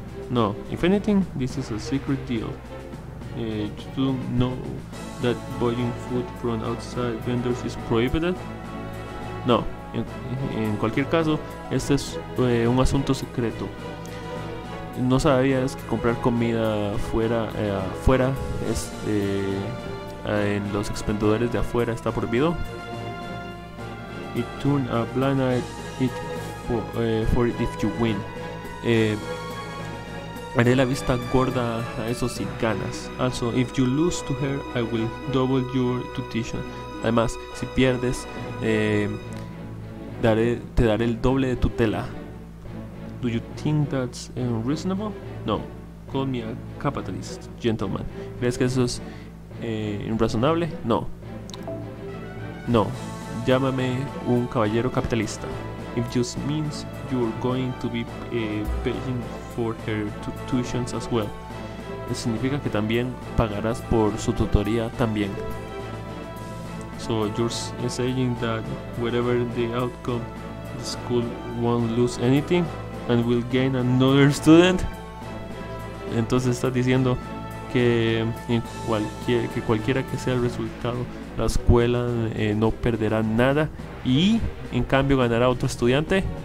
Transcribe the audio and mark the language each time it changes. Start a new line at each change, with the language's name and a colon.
English: No, if anything, this is a secret deal. You do know that buying food from outside vendors is prohibited?
Spanish: No, en cualquier caso, este es un asunto secreto. No sabías que comprar comida afuera es en los expendedores de afuera está prohibido.
English: It turns a blind eye for it if you win.
Spanish: Haré la vista gorda a eso si ganas.
English: Also, if you lose to her, I will double your tuition.
Spanish: Además, si pierdes, te daré el doble de tutela.
English: Do you think that's unreasonable? No. Call me a capitalist, gentleman.
Spanish: ¿Crees que eso es irrazonable? No. No. Llámame un caballero capitalista.
English: It just means you're going to be paying for her tuitions as well.
Spanish: Eso significa que también pagarás por su tutoría también.
English: So you're saying that whatever the outcome, the school won't lose anything and will gain another student?
Spanish: Entonces estás diciendo que cualquiera que sea el resultado, la escuela no perderá nada y en cambio ganará otro estudiante.